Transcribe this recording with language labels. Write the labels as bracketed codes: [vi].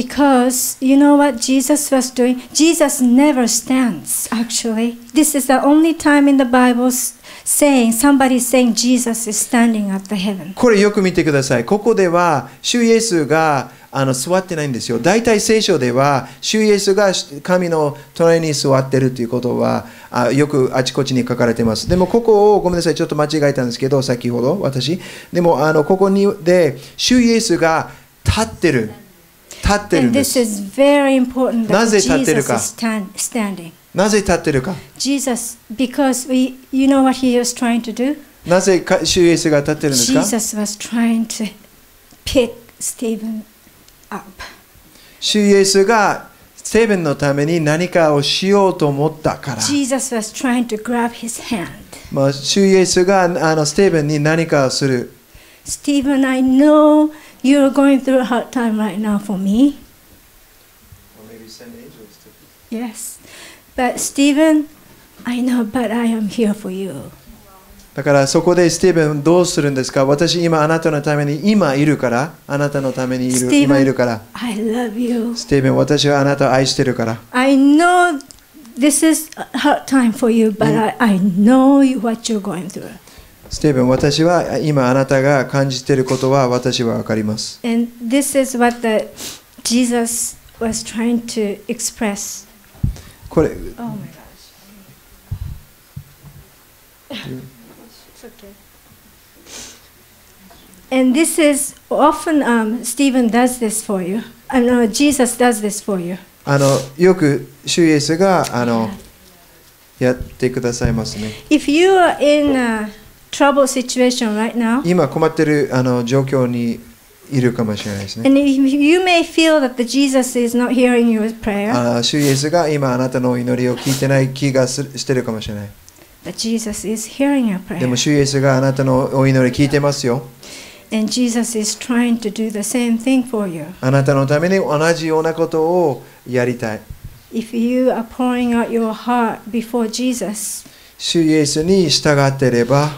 [en] Because you know what Jesus was doing? Jesus never stands, actually. This is the only time in the Bible saying, somebody saying Jesus is standing at the heaven. [ja] これよく見てください。ここでは主イエスが座ってないんですよ。大体聖書では主イエスが神の隣に座ってるということはよくあちこちに書かれてます。でもここをごめんなさい、ちょっと間違えたんですけど、先ほど私でもここにで主イエスが立ってる、立ってるんです。 [en] And this is very important that [ja] なぜ立ってるか、 [en] Jesus is standing. [ja] なぜ立ってるか、 [en] Jesus, because we, you know what he was trying to do? [ja] なぜ主イエスが立ってるんですか。 [en] Jesus was trying to pick Stephen. [ja] 主イエスがステーブンのために何かをしようと思ったから。 [en] Jesus was trying to grab his hand. [ja] 主イエスがステーブンに何かをする。 [en] Stephen, I know you're going through a hard time right now for me. Or maybe send angels to you. Yes. But Stephen, I know, but I am here for you. [ja] だからそこでスティーブンどうするんですか。私今あなたのために今いるから、あなたのためにいる、 [en] Stephen, [ja] 今いるから。 [en] I love you. [ja] スティーブン、私はあなたを愛してるから。 [en] I know this is a hard time for you, but I know what you're going through. [ja] スティーブン、私は今あなたが感じていることは私はわかります。 [en] And this is what the Jesus was trying to express. [ja] これ、 [en] oh my gosh. And this is often Stephen does this for you. I know Jesus does this for you. [ja] よく主イエスがやってくださいますね。 [en] If you are in a trouble situation right now, [ja] 今困ってる状況にいるかもしれないですね。 [en] And you may feel that the Jesus is not hearing your prayer. [ja] 主イエスが今あなたの祈りを聞いてない気がしてるかもしれない。 [en] But Jesus is hearing your prayer. [ja] でも主イエスがあなたのお祈り聞いてますよ。 [en] And Jesus is trying to do the same thing for you. [ja] あなたのために同じようなことをやりたい。 [en] If you are pouring out your heart before Jesus, [ja] 主イエスに従っていれば、